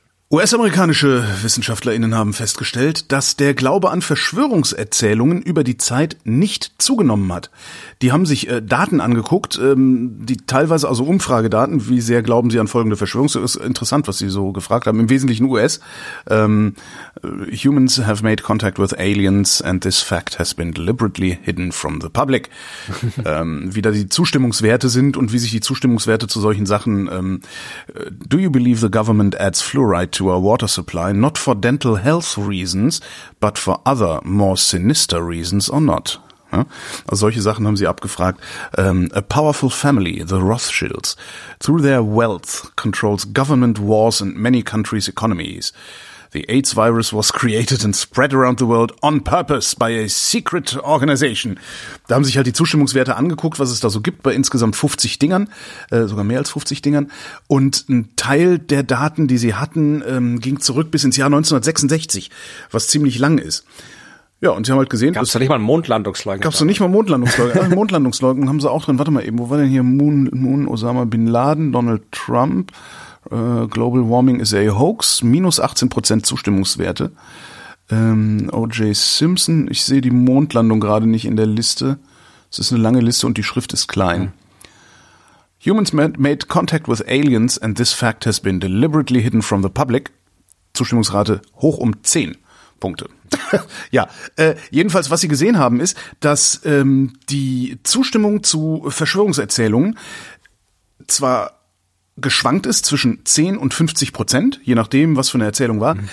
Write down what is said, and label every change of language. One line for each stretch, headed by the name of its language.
German: US-amerikanische WissenschaftlerInnen haben festgestellt, dass der Glaube an Verschwörungserzählungen über die Zeit nicht zugenommen hat. Die haben sich Daten angeguckt, die teilweise, also Umfragedaten, wie sehr glauben sie an folgende Verschwörungserzählungen, ist interessant, was sie so gefragt haben, im Wesentlichen US.
English: Humans have made contact with aliens and this fact has been deliberately hidden from the public.
German: wie da die Zustimmungswerte sind und wie sich die Zustimmungswerte zu solchen Sachen,
English: do you believe the government adds fluoride to our water supply, not for dental health reasons, but for other more sinister reasons or not.
German: Ja? Also solche Sachen haben sie abgefragt.
English: A powerful family, the Rothschilds, through their wealth controls government wars and many countries' economies. The AIDS virus was created and spread around the world on purpose by a secret organization.
German: Da haben sich halt die Zustimmungswerte angeguckt, was es da so gibt bei insgesamt 50 Dingern, sogar mehr als 50 Dingern. Und ein Teil der Daten, die sie hatten, ging zurück bis ins Jahr 1966, was ziemlich lang ist. Ja, und sie haben halt gesehen... Gab es da nicht mal Mondlandungsleugner? Gab es da nicht mal Mondlandungsleugner? Mondlandungsleugner haben sie auch drin. Warte mal eben, wo war denn hier Moon, Osama Bin Laden, Donald Trump...
English: Global Warming is a hoax,
German: minus 18% Zustimmungswerte. O.J. Simpson, ich sehe die Mondlandung gerade nicht in der Liste. Es ist eine lange Liste und die Schrift ist klein.
English: Humans made contact with aliens and this fact has been deliberately hidden from the public.
German: Zustimmungsrate hoch um 10 Punkte. Ja, jedenfalls, was sie gesehen haben, ist, dass die Zustimmung zu Verschwörungserzählungen zwar geschwankt ist zwischen 10% und 50%, je nachdem, was für eine Erzählung war.